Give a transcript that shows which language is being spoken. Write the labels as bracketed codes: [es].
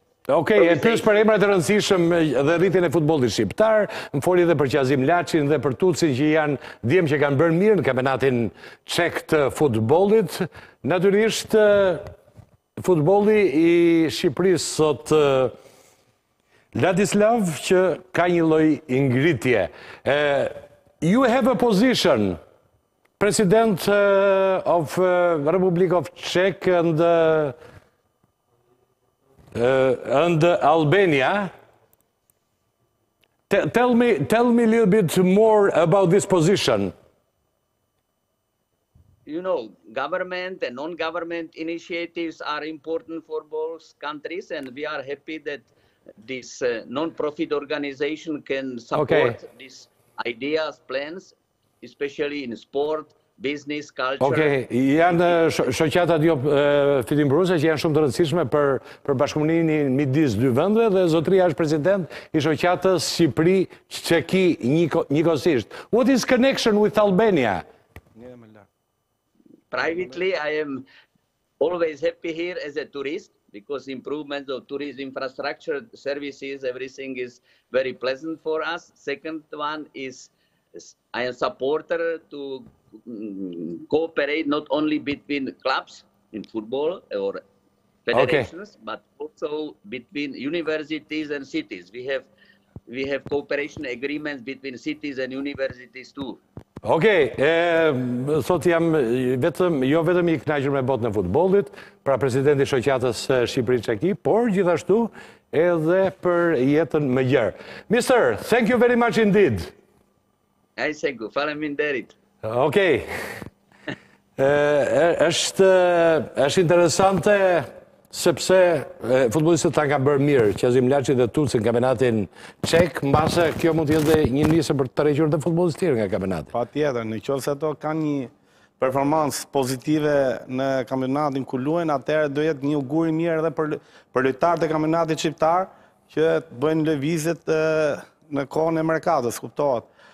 [sq] okay, e pyes për emrat e rëndësishëm dhe rritjen e futbollit shqiptar, më foli edhe për Qazim Laçin dhe për Tucin që janë djem që kanë bërë mirë në kampionatin çek të futbollit. Natyrisht futbolli i Shqipërisë sot Ladislav që ka një lloj ngritje. [en] You have a position President of Republic of Czech and Albania. Tell me a little bit more about this position. You know, government and non-government initiatives are important for both countries, and we are happy that this non-profit organization can support these ideas, plans, especially in sport, business, culture. [sq] Okay, janë shoqatat jo fitimbruese që janë shumë të rëndësishme për bashkëpunimin midis dy vendeve dhe zotria është president i shoqatës Shqipëri-Çeki njëkohësisht. [en] What is connection with Albania? Privately, I am always happy here as a tourist because improvements of tourism infrastructure, services, everything is very pleasant for us. Second one is I am a supporter to cooperate not only between clubs in football or federations, but also between universities and cities. We have cooperation agreements between cities and universities too. [sq] Okay, sot jam jo vetëm i kënaqur me botën e futbollit, pra presidenti i shoqatës Shqipëri-Çeki, por gjithashtu edhe për jetën më gjerë. [en] Mister, thank you very much indeed. Ai thank you. [sq] Faleminderit. [en] Okay. [sq] Është interesante sepse futbollistët tanë kanë bërë mirë, Qazim Laçi dhe Tulsi në kampionatin Çek, mbase kjo mund të jetë një nisë për të rrequr të futbollistët tjerë nga kampionati. Patjetër, në qoftë se ato kanë një performancë pozitive në kampionatin ku luajn, atëherë do jetë një ugur i mirë edhe për lojtarët e kampionatit shqiptar që bëjnë lëvizjet në kohën e mercatos, kuptohet.